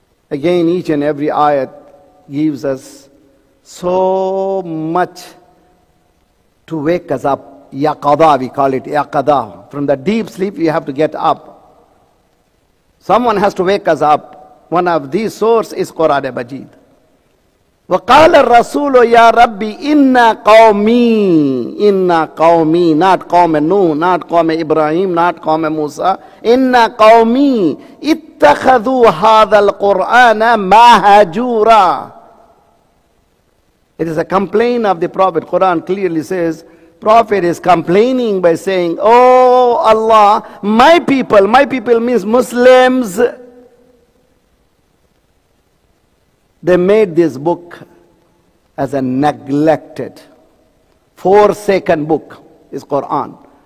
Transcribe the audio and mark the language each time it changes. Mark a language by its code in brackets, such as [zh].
[en] Again, each and every ayah gives us so much to wake us up. Yaqada, we call it yaqada. From the deep sleep, we have to get up. Someone has to wake us up. One of these sources is Quran Majid. [ar] وَقَالَ الرَّسُولُ يَا رَبِّ إِنَّا قَوْمِي إِنَّا قَوْمِي [en] not [ar] قَوْمِ نُوح, not قَوْمِ إِبْرَاهِيم, not قَوْمِ مُوسَى إِنَّا قَوْمِي اتَّخَذُوا هَذَا الْقُرْآنَ مَهَجُورًا. [en] It is a complaint of the Prophet. Quran clearly says, Prophet is complaining by saying, oh Allah, my people means Muslims, they made this book as a neglected, forsaken book, is Quran.